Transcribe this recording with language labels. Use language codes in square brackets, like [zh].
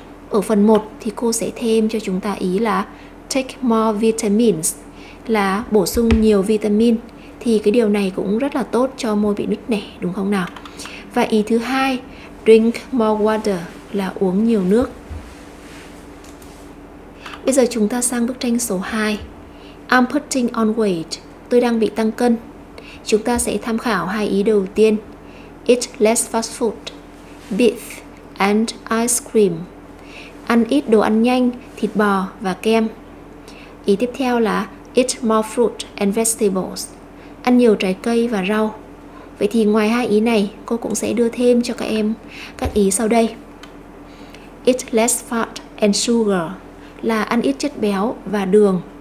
[vi] Ở phần 1 thì cô sẽ thêm cho chúng ta ý là [en] take more vitamins, [vi] là bổ sung nhiều vitamin, thì cái điều này cũng rất là tốt cho môi bị nứt nẻ đúng không nào. Và ý thứ hai, [en] drink more water, [vi] là uống nhiều nước. Bây giờ chúng ta sang bức tranh số 2. [en] I'm putting on weight. [vi] Tôi đang bị tăng cân. Chúng ta sẽ tham khảo hai ý đầu tiên. [en] Eat less fast food, beef and ice cream. [vi] Ăn ít đồ ăn nhanh, thịt bò và kem. Ý tiếp theo là [en] eat more fruit and vegetables. [vi] Ăn nhiều trái cây và rau. Vậy thì ngoài hai ý này, cô cũng sẽ đưa thêm cho các em các ý sau đây. [en] Eat less fat and sugar, [vi] là ăn ít chất béo và đường.